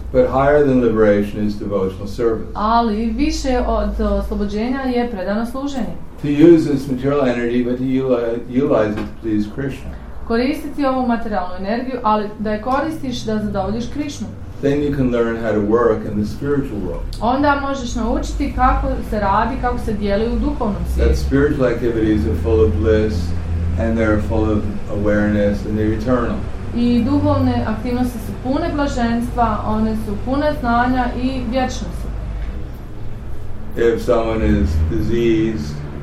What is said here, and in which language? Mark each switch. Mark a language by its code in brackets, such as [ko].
[en] But higher than liberation is devotional service. [hr] Ali više od oslobođenja je predano služenje. [en] To use this material energy, but to utilize it to please Krishna. [hr] Koristiti ovu materijalnu energiju, ali da je koristiš da zadovoljiš Krišnu. [en] Then you can learn how to work in the spiritual world. [hr] Onda možeš naučiti kako se radi, kako se djeluje u duhovnom svijetu. [en] That spiritual activities are full of bliss and they're full of awareness and they're eternal. [hr] I duhovne aktivnosti su pune blaženstva, one su pune znanja i vječnosti. [en] If someone is diseased,